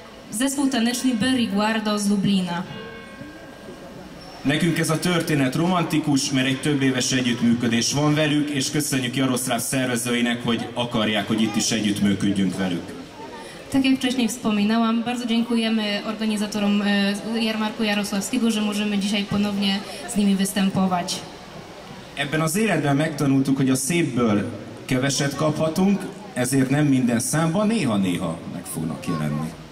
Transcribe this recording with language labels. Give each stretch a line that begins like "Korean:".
Polish: Zespół taneczny Berry Guardo z Lublina.
Hungarian: Nekünk ez a történet romantikus, mert egy több éves együttműködés van velük, és köszönjük Jaroszláv szervezőinek, hogy akarják, hogy itt is együttműködjünk velük.
Polish: Tak jak wcześniej wspominałam, bardzo dziękujemy organizatorom Jarmarku Jaroszlawskiego, że możemy dzisiaj ponownie z nimi występować.
Hungarian: Ebben az életben megtanultuk, hogy a szépből keveset kaphatunk, ezért nem minden számban, néha-néha meg fognak jelenni.